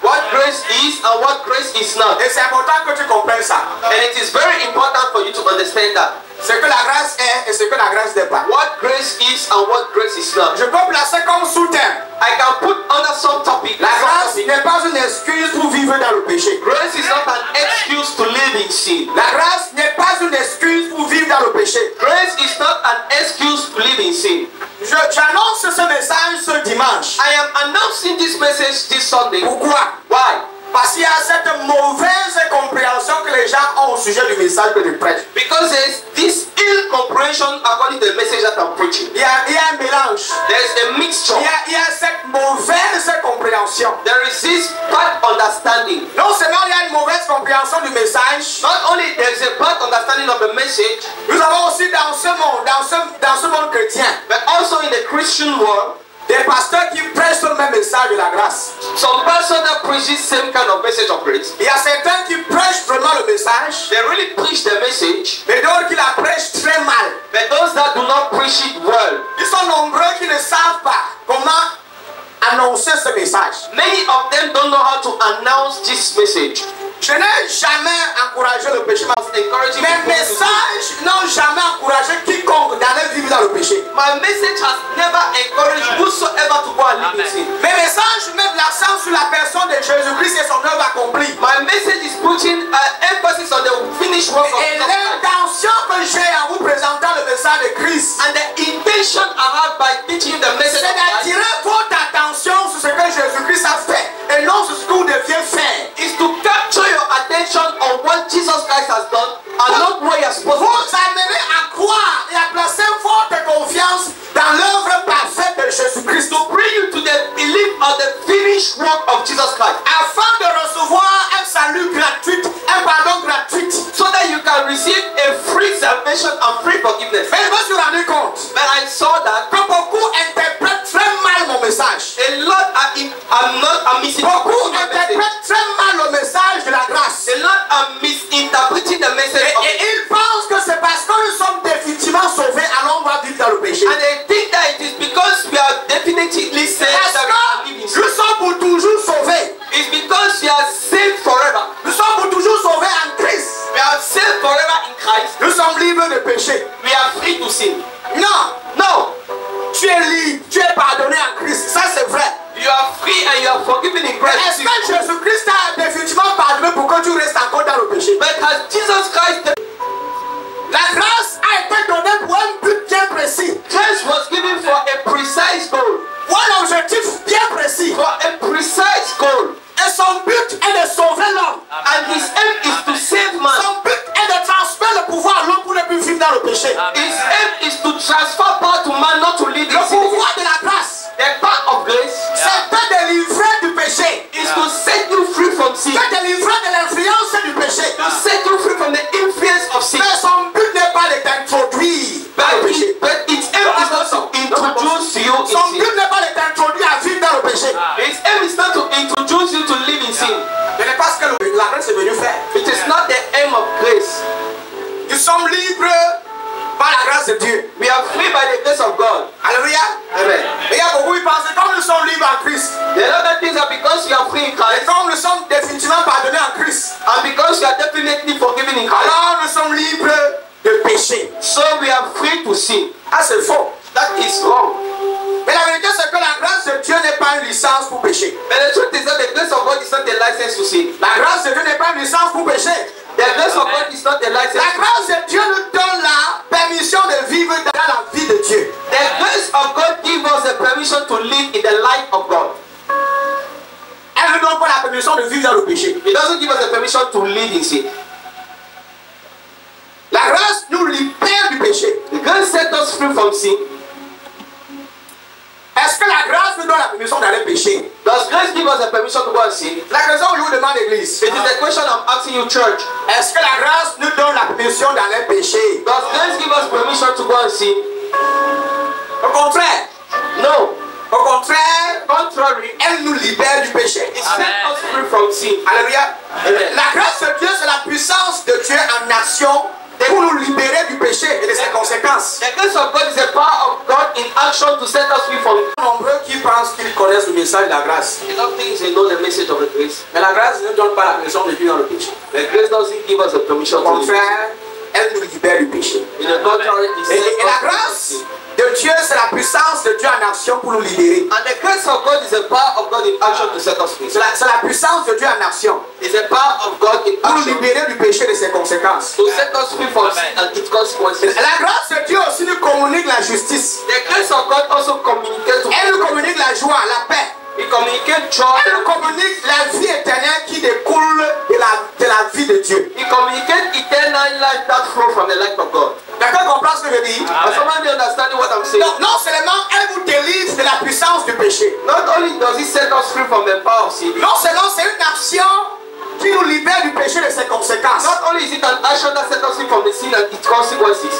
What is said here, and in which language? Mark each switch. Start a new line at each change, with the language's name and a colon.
English: What grace is and what grace is not.
French: Et c'est important que tu comprennes ça.
English: And it is very important for you to understand that.
French: Ce que la grâce est et ce que la grâce n'est pas.
English: What grace is and what grace is not.
French: Je peux placer comme sous-thème.
English: I can put under some topic.
French: La grâce n'est pas une excuse pour vivre dans le péché.
English: Grace is not an excuse to live in sin.
French: La grâce n'est pas une excuse pour vivre dans le péché.
English: Grace is not an excuse to live in sin.
French: J'annonce ce message ce dimanche.
English: I am announcing this message this Sunday.
French: Pourquoi?
English: Why?
French: Parce qu'il y a cette mauvaise compréhension que les gens ont au sujet du message que je prêche.
English: Because there's this ill comprehension according to the message that I'm preaching.
French: Il y a un mélange.
English: There's a mixture.
French: Il y a cette mauvaise compréhension.
English: There is this bad understanding.
French: Non seulement il y a une mauvaise compréhension du message.
English: Not only there's a bad understanding of the message.
French: Nous avons aussi dans ce monde chrétien.
English: But also in the Christian world.
French: Des pasteurs qui prêchent le même message de la grâce.
English: Some pastors that preach the same kind of message of grace.
French: Il y a certains qui prêchent vraiment le message.
English: They really preach the message.
French: Mais d'autres qui la prêchent très mal.
English: But those that do not preach it well.
French: Ils sont nombreux qui ne savent pas comment annoncer ce message.
English: Many of them don't know how to announce this message.
French: Je n'ai jamais encouragé le péché. Mes messages n'ont jamais encouragé quiconque d'aller vivre dans le péché.
English: My message has never encouraged whosoever to go and live in sin.
French: Mes messages mettent l'accent sur la personne de Jésus-Christ et son œuvre accomplie.
English: My message is putting an emphasis on the finished work of Christ.
French: Et l'intention que j'ai en vous présentant le message de Christ.
English: And the intention I have by teaching the message.
French: C'est d'attirer votre attention sur ce que Jésus-Christ a fait et non sur ce qu'on devient faire.
English: Is to capture your attention on what Jesus Christ has done and not what you are supposed to do.
French: Vous amenez à croire et à placer votre confiance dans l'œuvre parfaite de Jésus Christ.
English: To bring you to the belief of the finished work of Jesus Christ.
French: Afin de recevoir un salut gratuit, un pardon gratuit.
English: So that you can receive a free salvation and free forgiveness.
French: Mais je me suis rendu compte.
English: But I saw that.
French: Que beaucoup interprètent très mal mon message.
English: A lot I'm missing.
French: Beaucoup interprètent très mal le message de la grâce.
English: A lot are misinterpreting the message.
French: Et ils pensent que c'est parce que nous sommes définitivement sauvés alors on va vivre dans le péché.
English: And they think that it is because we are definitively saved.
French: Parce
English: that
French: que nous sommes pour toujours sauvés.
English: It's because we are saved forever.
French: Nous sommes pour toujours sauvés en Christ.
English: We are saved forever in Christ.
French: Nous sommes libres de péché.
English: We are free to sin.
French: Non. Tu es libre, tu es pardonné en Christ. Ça c'est vrai.
English: You are free and you are forgiven in Christ.
French: Mais est-ce que Jésus Christ a définitivement pardonné pour que tu restes encore dans le péché?
English: But has Jesus Christ?
French: La grâce a été donnée pour un but bien précis.
English: Grace was given for a precise goal.
French: Pour un objectif bien précis.
English: For a precise goal.
French: Et son but est de sauver l'homme.
English: And his aim is to save man.
French: Son but est de transférer le pouvoir à l'homme pour ne plus vivre dans le péché.
English: His aim is to transfer power to man, not to live in sin.
French: Le pouvoir de la grâce.
English: The power of grace.
French: C'est un délivré du péché.
English: Is to set you free from sin.
French: C'est délivré de l'influence du péché.
English: To set you free from the influence of sin.
French: Mais son but n'est pas de t'introduire dans le péché.
English: But its aim is not to introduce you in sin.
French: Son but n'est pas de t'introduire à vivre dans le péché.
English: Its aim is not to introduce you to live in sin.
French: Mais n'est pas ce que la grâce est venue faire.
English: It is not the aim of grace.
French: Nous sommes libres par la grâce de Dieu.
English: We are free by the grace of God.
French: Alléluia.
English: Amen.
French: Il y a beaucoup qui pensent que comme nous sommes libres en Christ.
English: The other things are because you are free in Christ.
French: Et comme nous sommes définitivement pardonnés en Christ.
English: And because you are definitely forgiven in Christ.
French: Alors nous sommes libres de péché.
English: So we are free to sin.
French: Ah, c'est faux.
English: That is wrong.
French: Mais la vérité c'est que la grâce de Dieu n'est pas une licence pour péché.
English: But the truth is that the grace of God is not a license to sin.
French: La grâce de Dieu n'est pas une licence pour péché.
English: The grace of God is not a license.
French: La grâce de Dieu nous donne la permission de vivre dans la vie de Dieu.
English: The grace of God gives us the permission to live in the life of God.
French: Elle nous donne pas la permission de vivre dans le péché.
English: It doesn't give us the permission to live in sin.
French: La grâce nous libère du péché.
English: The grace sets us free from sin.
French: Est-ce que la grâce nous donne la permission d'aller pécher?
English: Does grace give us the permission to go and sin?
French: La raison où je vous demande l'église.
English: It is the question I'm asking you, church.
French: Est-ce que la grâce nous donne la permission d'aller pécher?
English: Does grace give us permission to go and sin?
French: Au contraire.
English: No.
French: Au contraire.
English: Contrary.
French: Elle nous libère du péché.
English: It sets us free from sin.
French: Alléluia.
English: Amen.
French: La grâce de Dieu, c'est la puissance de Dieu en action. Pour nous libérer du péché et de ses conséquences.
English: The grace of God is the power of God in action to set us free from.
French: Nombreux qui pensent connaissent le message de la grâce.
English: They don't think they know the message of the grace.
French: Mais la grâce ne donne pas la permission de vivre dans le péché.
English: The grace doesn't give us the permission to live.
French: Elle nous libère du péché.
English: In the culture,
French: et la grâce de Dieu, c'est la puissance de Dieu en action pour nous libérer.
English: And the grace of God is the power of God in action to set us free.
French: C'est la puissance de Dieu en action.
English: It's the power of God in
French: pour nous libérer du péché et de ses conséquences.
English: To set us free from sin and its consequences.
French: La grâce de Dieu aussi nous communique la justice.
English: The grace of God also communicates to us.
French: Elle nous communique la joie, la paix.
English: It communicates joy.
French: Elle nous communique la vie éternelle qui découle de la vie de Dieu.
English: It communicates eternal life that flows from the life of God.
French: Quelqu'un comprend ce que je dis?
English: Somebody understanding what I'm saying?
French: Non seulement elle vous délivre de la puissance du péché.
English: Not only does it set us free from the power of sin.
French: Non seulement c'est une action qui nous libère du péché et de ses conséquences.
English: Not only is it an action that set us free from the sin and its consequences.